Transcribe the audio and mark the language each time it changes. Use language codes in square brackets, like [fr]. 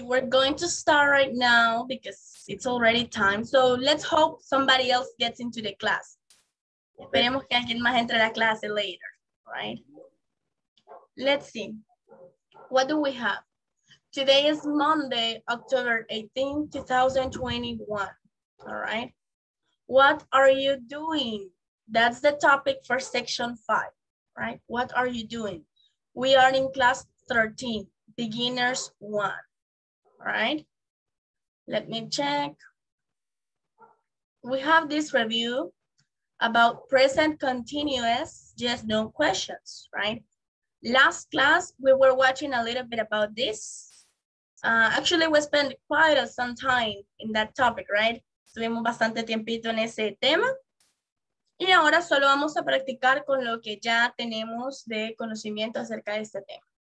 [en] We're going to start right now because it's already time. So let's hope somebody else gets into the class. [es] Esperemos que alguien más entre la clase later. [en] Right? Let's see. What do we have? Today is Monday, October 18, 2021. All right. What are you doing? That's the topic for section 5, right? What are you doing? We are in class 13, beginners 1. All right. Let me check. We have this review about present continuous, yes, no questions, right? Last class, we were watching a little bit about this. Actually, we spent quite some time in that topic, right? [es] Tuvimos bastante tiempito en ese tema. Y ahora solo vamos a practicar con lo que ya tenemos de conocimiento acerca de este tema.